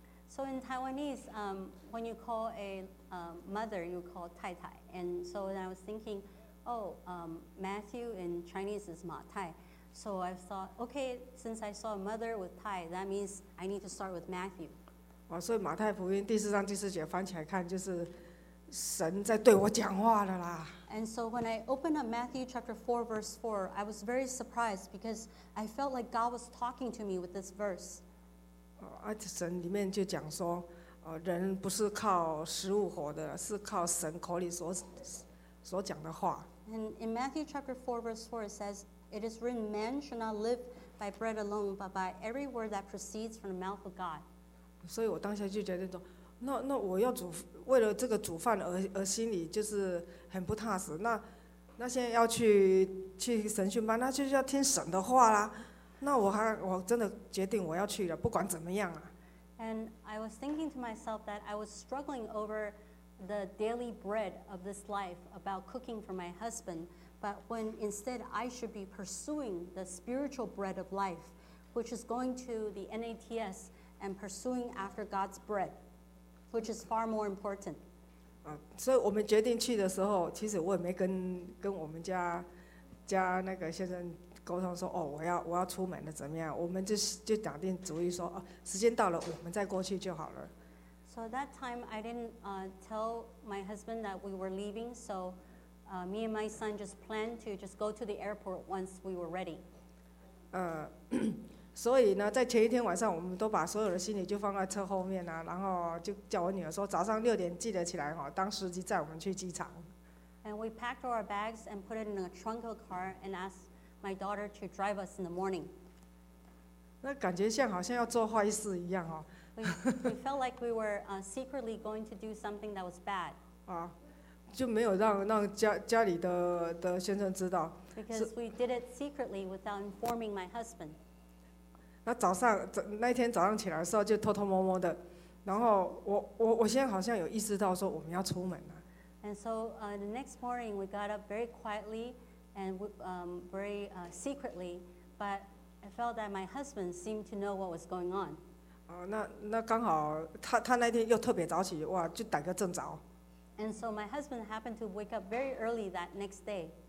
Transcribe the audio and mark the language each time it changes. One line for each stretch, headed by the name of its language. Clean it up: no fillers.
English: So in Taiwanese, when you call a mother, you call 太太, and so I was thinking, Matthew in Chinese is 马太。 So I thought, okay, since I saw a mother with Thai, that means I need to start with Matthew.
Chinese: 所以马太福音第四章第四节翻起来看，就是神在对我讲话了啦。
English: And so when I opened up Matthew chapter 4, verse 4, I was very surprised because I felt like God was talking to me with this verse.
Chinese: 神里面就讲说，人不是靠食物活的，是靠神口里所讲的话。
English: And in Matthew chapter 4, verse 4, it says, It is written, man shall not live by bread alone, but by every word that proceeds from the mouth of God.
Chinese: 所以我当下就觉得说，那我要煮，为了这个煮饭而心里就是很不踏实。那现在要去神训班，那就是要听神的话啦。那我真的决定我要去了，不管怎么样啊。
English: And I was thinking to myself that I was struggling over the daily bread of this life about cooking for my husband, but when instead I should be pursuing the spiritual bread of life, which is going to the NATS and pursuing after God's bread. Which is far more important. So we decided to go. Actually, I didn't even talk to my husband about how I'm going to go out. We just decided to go. When the time comes, we'll go back to the house. So at that time, I didn't tell my husband that we were leaving. So me and my son just planned to just go to the airport once we were ready.
Chinese: 所以呢，在前一天晚上，我们都把所有的行李就放在车后面啊，然后就叫我女儿说，早上六点记得起来哦，当司机载我们去机场。
English: And we packed all our bags and put it in a trunk of car and asked my daughter to drive us in the morning.
Chinese: 那感觉像好像要做坏事一样哦。
English: We felt like we were secretly going to do something that was bad.
Chinese: 啊，就没有让家里的先生知道。
English: Because we did it secretly without informing my husband.
Chinese: 那早上那天早上起来的时候就偷偷摸摸的，然后我现在好像有意识到说我们要出门了。
English: And so the next morning we got up very quietly and very secretly, but I felt that my husband seemed to know what was going on.
Chinese: 那刚好他那天又特别早起，哇，就逮个正着。
English: And so my husband happened to wake up very early that next day.